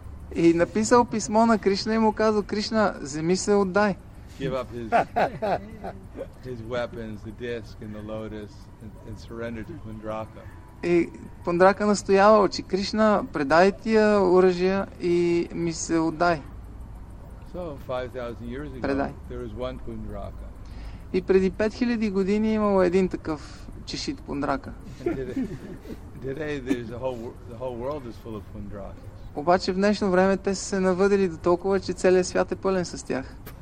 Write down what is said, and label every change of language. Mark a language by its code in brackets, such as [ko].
[bg] И написал писмо на Кришна и му казал: Кришна, вземи се отдай. [en] Give up his weapons, the disc and the lotus, and surrender to Pundraka. [bg] И Пундрака настоявал, че Кришна, предай тия оръжия и ми се отдай. [en] So 5000 years ago, [bg] предай. [en] There was one Pundraka. [bg] И преди 5000 години имало един такъв чешит Пундрака. [en] Today there's the whole world is full of Pundrakas. [bg] Обаче в днешно време те са се навъдили до толкова, че целият свят е пълен с тях.